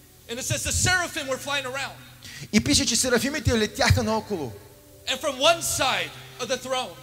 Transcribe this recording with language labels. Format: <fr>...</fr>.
<en>And it says the seraphim were flying around.</en> <bg>И пише, че серафимите летяха наоколо.</bg> <en>And from one side of the throne,</en>